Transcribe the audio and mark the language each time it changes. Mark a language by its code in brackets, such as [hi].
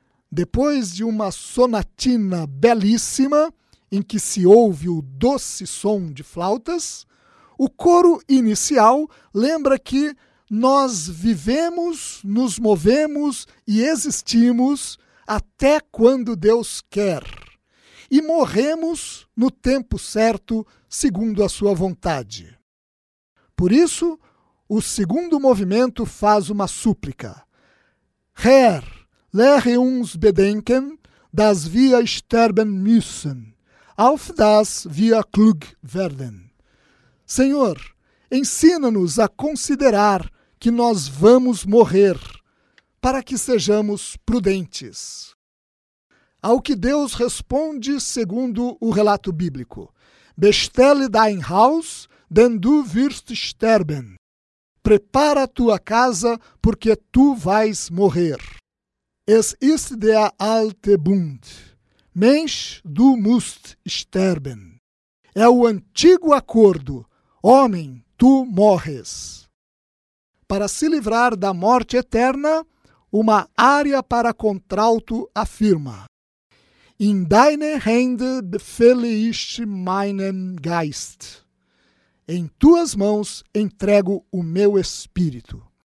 [pt] Depois de uma sonatina belíssima, em que se ouve o doce som de flautas, o coro inicial lembra que nós vivemos, nos movemos e existimos até quando Deus quer. E morremos no tempo certo, segundo a sua vontade. Por isso, o segundo movimento faz uma súplica. [de] Herr, lehre uns bedenken, dass wir sterben müssen, auf das wir klug werden. [pt] Senhor, ensina-nos a considerar que nós vamos morrer, para que sejamos prudentes. Ao que Deus responde segundo o relato bíblico. [de] Bestelle dein Haus, denn du wirst sterben. [pt] Prepara tua casa, porque tu vais morrer. [de] Es ist der alte Bund. Mensch, du musst sterben. [pt] É o antigo acordo. Homem, tu morres. Para se livrar da morte eterna, uma ária para contralto afirma. [de] In deine Hände befehle ich meinen Geist. [pt] Em tuas mãos entrego o meu espírito.